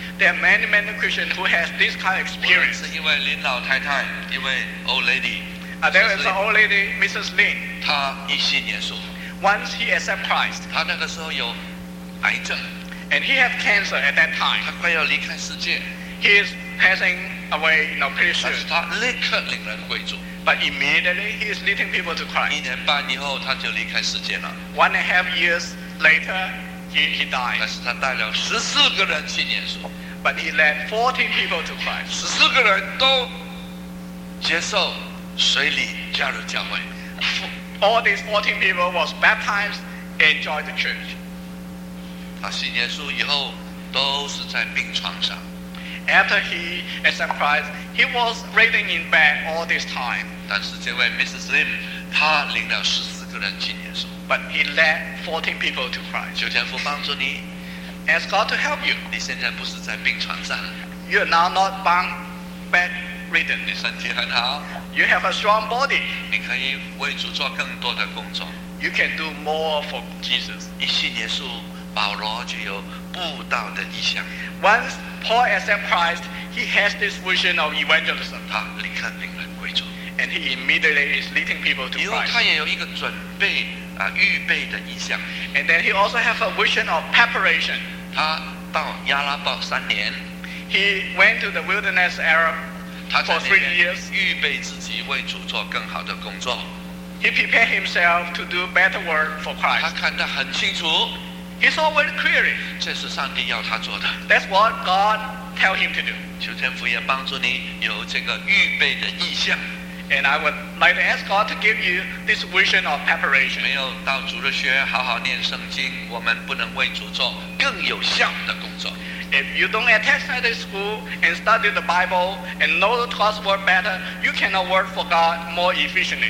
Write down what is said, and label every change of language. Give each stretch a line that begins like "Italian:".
English: There are many, many Christians who have this kind of experience.
Chinese: 是一位林老太太，一位
English: old lady. There is an old lady, Mrs. Lin.
Chinese: 她一信耶稣。
English: Once he accept Christ.
Chinese: 她那个时候有癌症。
English: And he had cancer at that time.
Chinese: 她快要离开世界。
English: He is passing away, you know, pretty soon.
Chinese: 但是她立刻领人归主。
English: But immediately he is leading people to Christ.
Chinese: 一年半以后，她就离开世界了。
English: One and a half years later. He died.
Chinese: 但是他带了十四个人信耶稣。
English: But he led 14 people to Christ.
Chinese: 十四个人都接受水礼加入教会。
English: All these 14 people was baptized and joined the church.
Chinese: 他信耶稣以后都是在病床上。
English: After he accepted Christ, he was laying in bed all this time.
Chinese: 但是这位 Mrs. Lim, 他领了十四个人信耶稣。
English: But he led 14 people to Christ.
Chinese: 求天父帮助你。
English: Ask God to help you.
Chinese: 你现在不是在病床上。
English: You are now not bedridden.
Chinese: 你身体很好。
English: You have a strong body.
Chinese: 你可以为主做更多的工作。
English: You can do more for Jesus.
Chinese: 一信耶稣，保罗就有布道的意向。
English: Once Paul accepted Christ, he has this vision of evangelism.
Chinese: 他立刻领人归主。
English: And he immediately is leading people to Christ.
Chinese: 因为他也有一个准备。预备的意象。
English: And then he also have a vision of preparation.
Chinese: 他到亚拉伯三年。
English: He went to the wilderness Arab for 3 years.
Chinese: 预备自己为主做更好的工作。
English: He prepared himself to do better work for Christ.
Chinese: 他看得很清楚。
English: He saw very clearly.
Chinese: 这是上帝要他做的。
English: That's what God tell him to do.
Chinese: 求天父也帮助你有这个预备的意象。
English: And I would like to ask God to give you this vision of preparation.
Chinese: 没有到主日学好好念圣经，我们不能为主做更有效的工作。
English: If you don't attend Sunday school and study the Bible and know the God's word better, you cannot work for God more efficiently.